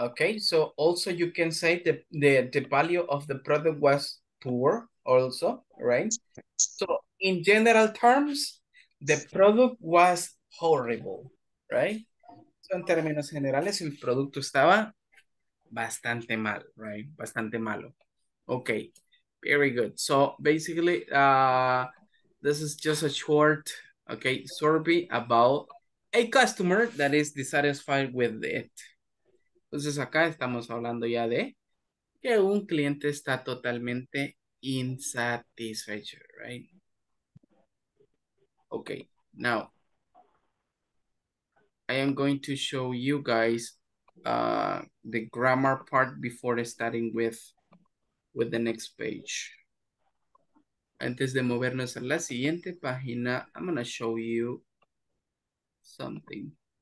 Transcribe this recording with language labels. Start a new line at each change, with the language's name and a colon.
English: Okay, so also you can say the value of the product was poor also, right? So in general terms, the product was horrible, right? So
Spanish: en términos generales, el producto estaba bastante mal,
English: right?
Spanish: Bastante malo.
English: Okay, very good. So basically, this is just a short, okay, survey about a customer that is dissatisfied with it.
Spanish: Entonces acá estamos hablando ya de que un cliente está totalmente insatisfecho,
English: right? Okay, now I am going to show you guys the grammar part before starting with the next page.
Spanish: Antes de movernos a la siguiente página,
English: I'm gonna show you something.